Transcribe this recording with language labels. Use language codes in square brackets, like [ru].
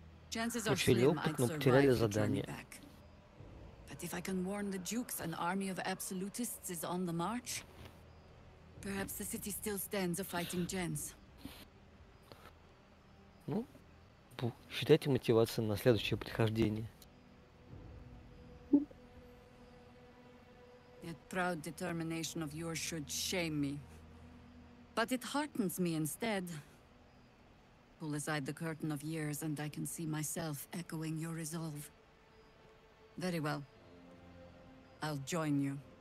[en] Chances are slim, I'd survive the journey back. But if I can warn the Dukes, an army of absolutists is on the march. Perhaps the city still stands a fighting gens. [ru] Ну, считайте мотивацию на следующее прихождение. [en] That proud determination of yours should shame me. But it heartens me instead. Pull aside the curtain of years and I can see myself echoing your resolve. Very well. I'll join you.